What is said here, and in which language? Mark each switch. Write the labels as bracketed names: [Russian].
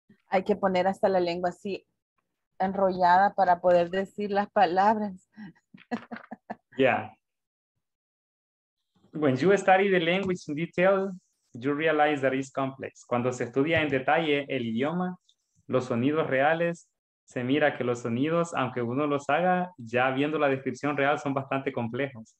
[Spanish] Hay que poner hasta la lengua así enrollada para poder decir las palabras. Yeah. [English] When you study the language in detail, you realize that it's complex. [Spanish] Cuando se estudia en detalle el idioma, los sonidos reales, se mira que los sonidos, aunque uno los haga, ya viendo la descripción real, son bastante complejos.